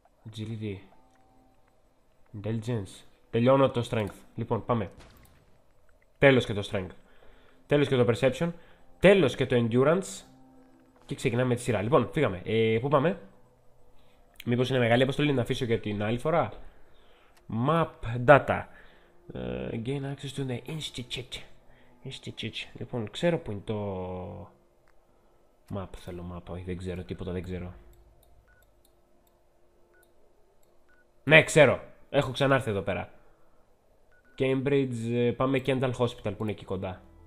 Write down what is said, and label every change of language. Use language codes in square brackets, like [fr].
[el] Agility. Intelligence. Τελειώνω το strength. Λοιπόν, πάμε. Τέλος και το strength. Τέλος και το perception. Τέλος και το endurance. Και ξεκινάμε τη σειρά. Λοιπόν, φύγαμε. Πού πάμε? Μήπως είναι μεγάλη αποστολή να αφήσω για την άλλη φορά? [en] Map data. Gain access to the institute. Institute. [el] Λοιπόν, ξέρω που είναι το. Map. Θέλω map. Όχι, δεν ξέρω τίποτα. Δεν ξέρω. Ναι, ξέρω. Έχω ξανάρθει εδώ πέρα. Cambridge. Πάμε Kendall Hospital που είναι εκεί κοντά.